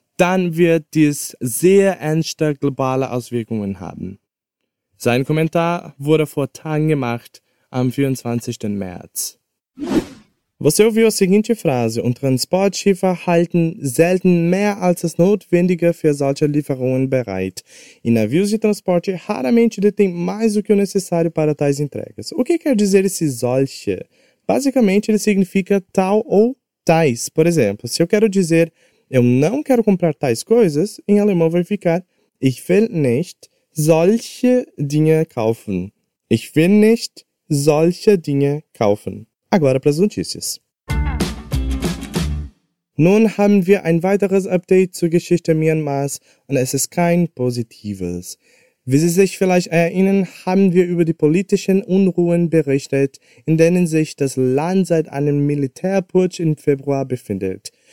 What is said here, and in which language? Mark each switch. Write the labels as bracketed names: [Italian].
[German] dann wird dies sehr ernste globale Auswirkungen haben. Sein Kommentar wurde vor Tagen gemacht, am 24. März. [Portuguese] Você ouviu a seguinte [German] Phrase: Und Transportschiffe halten selten mehr als das Notwendige für solche Lieferungen bereit. [Portuguese] E navios de transporte raramente detêm mais do que o necessário para tais entregas. O que quer dizer esse solche? Basicamente, ele significa tal ou tais. Por exemplo, se eu quero dizer eu não quero comprar tais coisas, em alemão vai ficar [German] Ich will nicht solche Dinge kaufen. Ich will nicht solche Dinge kaufen. [Portuguese] Agora para as notícias. [German] Nun haben wir ein weiteres Update zur Geschichte Myanmars und es ist kein positives. Wie Sie sich vielleicht erinnern, haben wir über die politischen Unruhen berichtet, in denen sich das Land seit einem Militärputsch im Februar befindet.